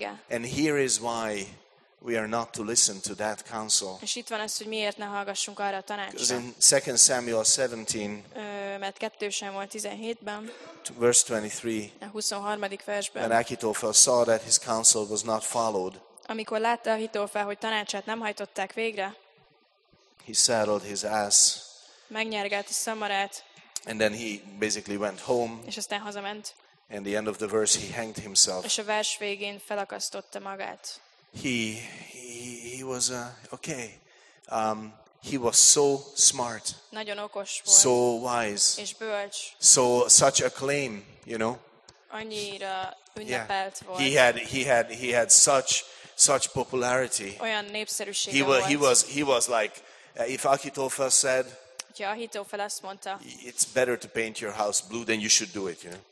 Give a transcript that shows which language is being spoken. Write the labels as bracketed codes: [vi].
[en] And here is why we are not to listen to that counsel. [hu] És itt van az, hogy miért ne hallgassunk arra a tanácsra. [en] In 2 Samuel 17, [hu] mert 2 Samuel 17-ben, [en] verse 23, [hu] a 23. versben, [en] when Achitophel saw that his counsel was not followed, [hu] amikor látta Achitophel, hogy tanácsát nem hajtották végre, [en] he saddled his ass, [hu] megnyergelt a szamarát, [en] and then he basically went home, [hu] és aztán hazament, [en] and the end of the verse, he hanged himself, [hu] és a vers végén felakasztotta magát. [en] He was okay. He was so smart. [hu] Nagyon okos volt. [en] So wise. [hu] És bölcs. [en] So such acclaim, you know. [hu] Annyira ünnepelt volt. [en] He had such popularity. [hu] Olyan népszerűsége volt. [en] He was like if Achitophel said. [hu] Ja, Achitophel azt mondta. [en] It's better to paint your house blue than you should do it, you know.